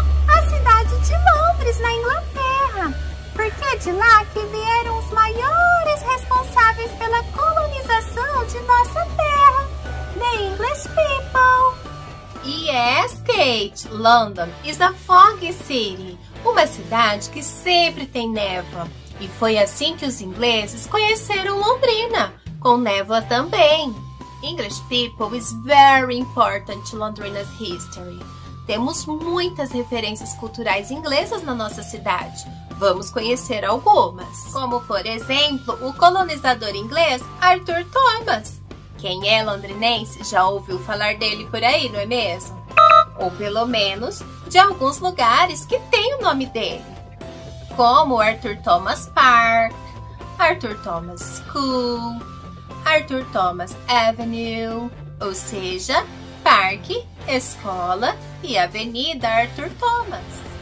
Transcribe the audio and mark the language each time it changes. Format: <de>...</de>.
<pt>A cidade de Londres, na Inglaterra! Porque é de lá que vieram os maiores responsáveis pela colonização de nossa terra,</pt> <en>the English people! Yes, Kate! London is a fog city!</en> <pt>Uma cidade que sempre tem névoa. E foi assim que os ingleses conheceram Londrina, com névoa também.</pt> <en>English people is very important to Londrina's history.</en> <pt>Temos muitas referências culturais inglesas na nossa cidade. Vamos conhecer algumas. Como, por exemplo, o colonizador inglês Arthur Thomas. Quem é londrinense já ouviu falar dele por aí, não é mesmo? Ou pelo menos de alguns lugares que tem o nome dele, como Arthur Thomas Park, Arthur Thomas School, Arthur Thomas Avenue, ou seja, parque, escola e avenida Arthur Thomas.</pt>